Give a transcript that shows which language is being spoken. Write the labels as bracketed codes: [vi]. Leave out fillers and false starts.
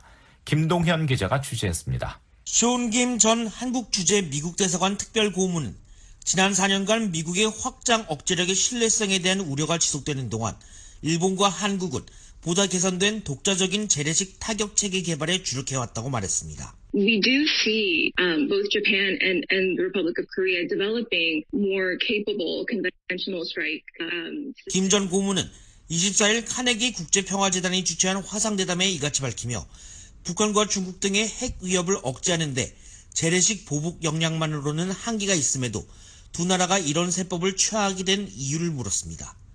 [ko] 김동현 기자가 취재했습니다. 쇼운 김 전 한국 주재 미국 대사관 특별 고문은 지난 4년간 미국의 확장 억제력의 신뢰성에 대한 우려가 지속되는 동안 일본과 한국은 보다 개선된 독자적인 재래식 타격 체계 개발에 주력해왔다고 말했습니다. [en] We do see both Japan and the Republic of Korea developing more capable conventional strike. [ko] 김 전 고문은 24일 카네기 국제평화재단이 주최한 화상대담에 이같이 밝히며 북한과 중국 등의 핵 위협을 억제하는데 재래식 보복 역량만으로는 한계가 있음에도 두 나라가 이런 세법을 취하게 된 이유를 물었습니다.